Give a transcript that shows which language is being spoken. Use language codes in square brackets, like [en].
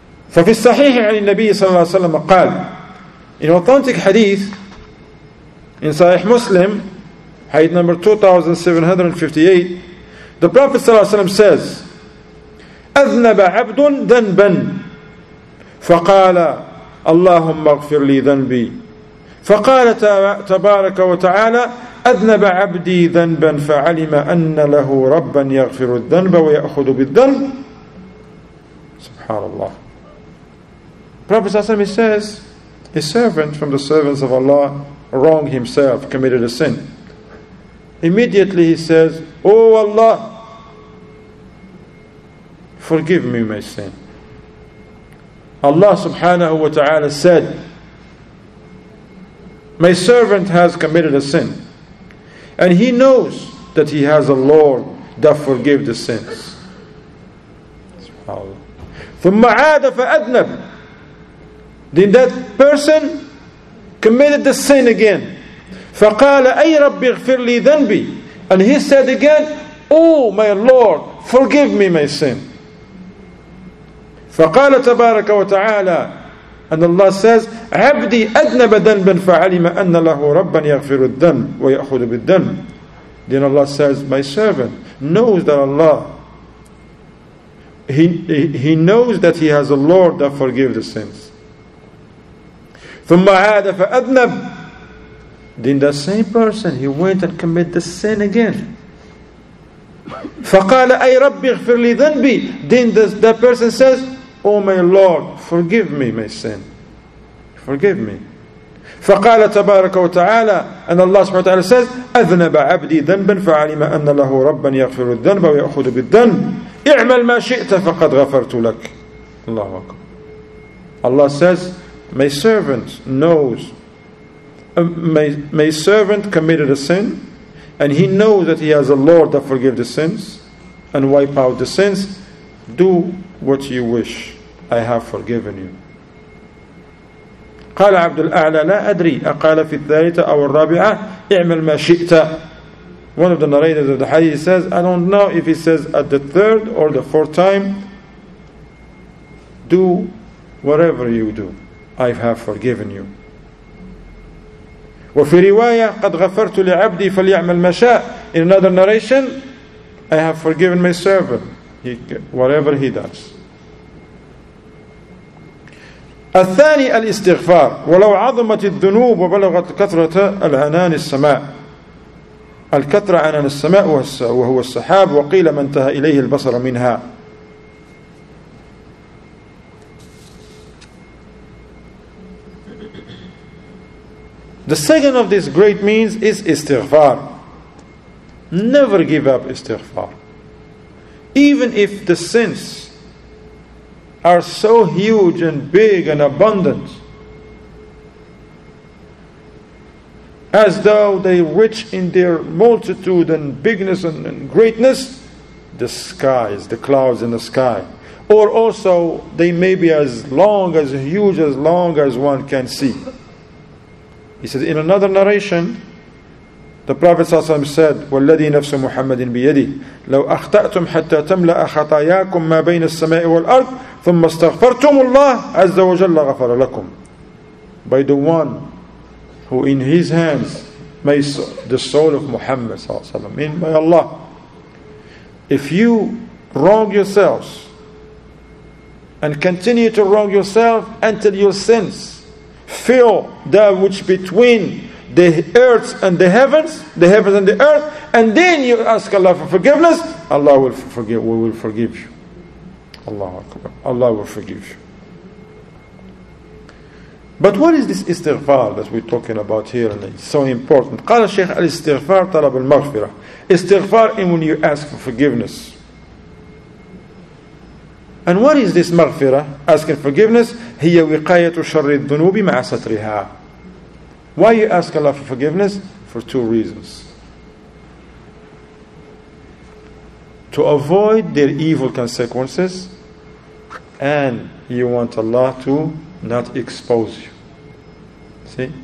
[ar] ففي الصحيح عن النبي صلى الله عليه وسلم قال, [en] in authentic hadith, in Sahih Muslim, hadith number 2758, the Prophet [ar] صلى الله عليه وسلم [en] says, [ar] أذنب عبد ذنبا فقال اللهم اغفر لي ذنبي فقال تبارك وتعالى أذنب عبدي ذنبا فعلم أن له ربا يغفر الذنب ويأخذ بالذنب. سبحان الله. [en] Prophet Sallallahu Alaihi Wasallam says, a servant from the servants of Allah wronged himself, committed a sin. Immediately he says, oh Allah, forgive me my sin. Allah subhanahu wa ta'ala said, my servant has committed a sin, and he knows that he has a Lord that forgives the sins. [ar] SubhanAllah. ثُمَّ عَادَ فَأَذْنَبْ. [en] Then that person committed the sin again. [ar] فَقَالَ أَيْ رَبِّ اغْفِرْ لِي ذَنْبِي. [en] And he said again, oh my Lord, forgive me my sin. [ar] فقال تبارك وتعالى, [en] and Allah says, [ar] عبدي أذنب ذنبا فعلم أن له ربا يغفر الذنب ويأخذ بالذنب. [en] Then Allah says, my servant knows that Allah, he knows that he has a Lord that forgives the sins. [ar] ثم عاد فأذنب. [en] Then the same person, he went and committed the sin again. [ar] فقال أي ربي اغفر لي ذنبي. [en] Then the person says, oh my Lord, forgive me my sin. Forgive me. [ar] فقال تبارك وتعالى, [en] and Allah subhanahu wa ta'ala says, [ar] أذنب عبدي ذنبا فعلم أن له ربا يغفر الذنب ويأخذ بالذنب. اعمل ما شئت فقد غفرت لك. الله أكبر. [en] Allah says, my servant knows, my servant committed a sin, and he knows that he has a Lord that forgives the sins and wipe out the sins. Do what you wish, I have forgiven you. [ar] قال عبد الأعلى لا أدري أقال في الثالثة أو الرابعة اعمل ما شئت. [en] One of the narrators of the hadith says, I don't know if he says at the third or the fourth time, do whatever you do, I have forgiven you. [ar] وفي رواية قد غفرت لعبدي فليعمل ما شاء. [en] In another narration, I have forgiven my servant, whatever he does. [ar] الثاني الاستغفار ولو عظمت الذنوب وبلغت كثرة العنان السماء. الكثرة عنان السماء وهو السحاب وقيل ما انتهى إليه البصر منها. [en] The second of these great means is istighfar. Never give up istighfar. Even if the sins are so huge and big and abundant, as though they reach in their multitude and bigness and greatness, the skies, the clouds in the sky. Or also, they may be as long, as huge, as long as one can see. He says, in another narration, the Prophet ﷺ said, [ar] وَالَّذِي نَفْسُ مُحَمَّدٍ بِيَدِهِ لَوْ أَخْتَأْتُمْ حَتَّى تَمْلَأَ خَطَيَاكُمْ مَا بَيْنَ السَّمَاءِ وَالْأَرْضِ ثُمَّ اسْتَغْفَرْتُمُ اللَّهِ عَزَّ وَجَلَّ غَفَرَ لَكُمْ. [en] By the one who in his hands may the soul of Muhammad ﷺ, mean by Allah, if you wrong yourselves and continue to wrong yourself until your sins fill that which between the earth and the heavens and the earth, and then you ask Allah for forgiveness, Allah will forgive. We will forgive you. Allah Akbar. Allah will forgive you. But what is this istighfar that we're talking about here and it's so important? [ar] قال الشيخ الاستغفار طلب المغفرة. [en] Istighfar is when you ask for forgiveness. And what is this مغفرة, asking forgiveness? [ar] هي وقاية شر الذنوب مع سترها. [en] Why you ask Allah for forgiveness? For two reasons. To avoid their evil consequences, and you want Allah to not expose you. See?